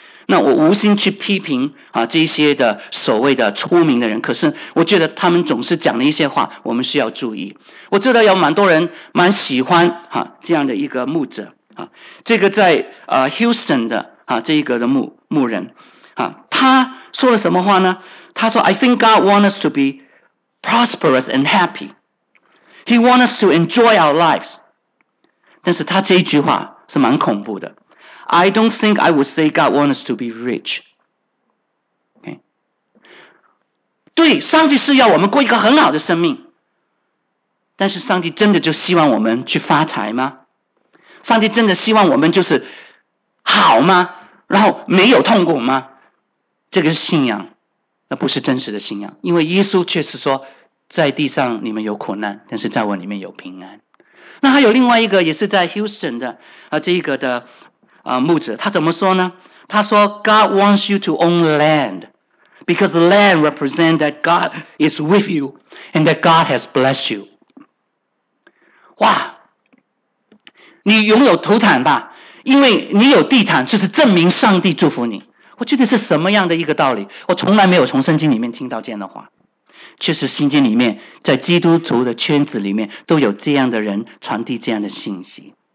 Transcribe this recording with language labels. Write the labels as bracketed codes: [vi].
[zh] 那我无心去批评这些的所谓的出名的人，可是我觉得他们总是讲的一些话我们需要注意。我知道有蛮多人蛮喜欢这样的一个牧者这个在Houston 的这一个的牧人他说了什么话呢？他说 [en] I think God wants us to be prosperous and happy. He wants us to enjoy our lives. [zh] 但是他这一句话是蛮恐怖的。 [en] I don't think I would say God wants us to be rich. Okay. [zh] 对，上帝是要我们过一个很好的生命。但是上帝真的就希望我们去发财吗？上帝真的希望我们就是好吗？然后没有痛苦吗？这个是信仰，那不是真实的信仰。因为耶稣确实说，在地上你们有苦难，但是在我里面有平安。那还有另外一个也是在 Houston 的这一个的牧者，他怎么说呢？他说 [en] God wants you to own land because land represents that God is with you and that God has blessed you. [zh] 哇，你拥有土产吧，因为你有地产，就是证明上帝祝福你。我觉得是什么样的一个道理，我从来没有从圣经里面听到这样的话。确实圣经里面在基督徒的圈子里面都有这样的人传递这样的信息。